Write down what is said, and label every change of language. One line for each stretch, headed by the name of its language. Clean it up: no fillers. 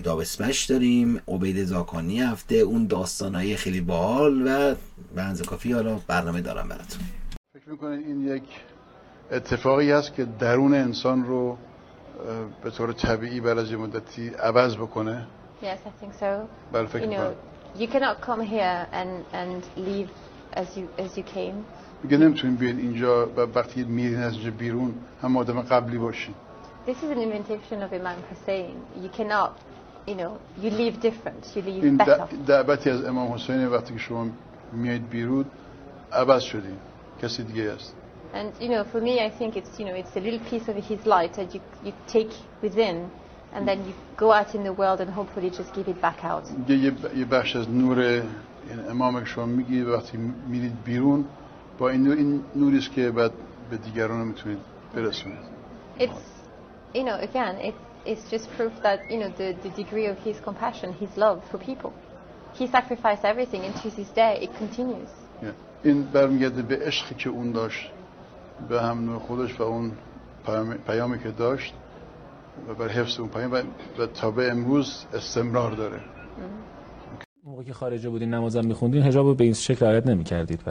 Persian: دابسمش داریم، عبید زاکانی هفته، اون داستانای خیلی باحال و بنز کافی. حالا برنامه دارم براتون. فکر میکنین این یک اتفاقی هست که درون انسان رو به طور طبیعی بعد از مدتی عوض بکنه؟
English: Yes, I think so.
Persian: بله، فکر می‌کنم.
English: You cannot come here and leave as you came.
Persian: میگه نمیتونین بیان اینجا و وقتی میرین از اینجا بیرون هم آدم قبلی باشین.
English: This is an invitation of Imam Hussein. You cannot, you know, you leave different. You leave better.
Persian: دعوتی از امام حسین وقتی که شما میاید بیرون عوض شدین. کسی دیگه است.
English: And you know, for me, I think it's, you know, it's a little piece of his light that you take within, and then you go out in the world and hopefully just give it back out.
Persian: یه بخش از نور امام شما میگی وقتی میرید بیرون با این نور، این نوری است که بعد به دیگران میتونید برسونید.
English: It's, you know, again, it's just proof that, you know, the degree of his compassion, his love for people, he sacrificed everything, and to this day it continues.
Persian: Yeah, این برمیگرده به عشقی که اون داشت به هم نوع خودش و اون پیامی که داشت و بر حفظ اون پیام و تا به امروز استمرار داره. اون موقع که خارج بودین نمازم میخوندین حجاب رو به این شکل رعایت نمیکردید؟